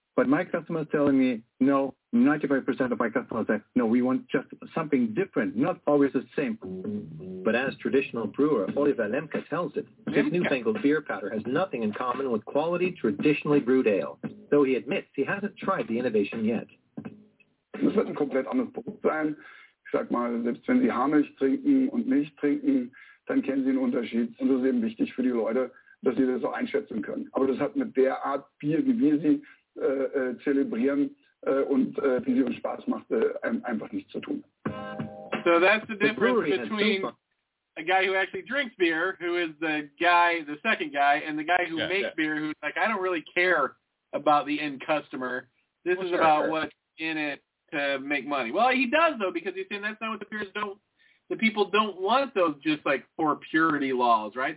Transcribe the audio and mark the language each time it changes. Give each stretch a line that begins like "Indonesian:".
English: But my customer is telling me, no, 95% of my customers say, no, we want just something different, not always the same. But as traditional brewer Oliver Lemke tells it, this newfangled beer powder has nothing in common with quality traditionally brewed ale, though he admits he hasn't tried the innovation yet.
German: Das wird ein komplett anderes Produkt sein. Ich sag mal, selbst wenn Sie Haarmilch trinken und Milch trinken, dann kennen Sie den Unterschied. Und das ist eben wichtig für die Leute, dass sie das so einschätzen können. Aber das hat mit der Art Bier, wie wir sie zelebrieren und wie sie uns Spaß macht, einfach nichts zu tun.
English: So that's the difference between a guy who actually drinks beer, who is the guy, the second guy, and the guy who makes beer, who's like, I don't really care about the end customer. This is about what's in it to make money. Well, he does, though, because he's saying that's not what the peers don't, the people don't want those just like for purity laws, right?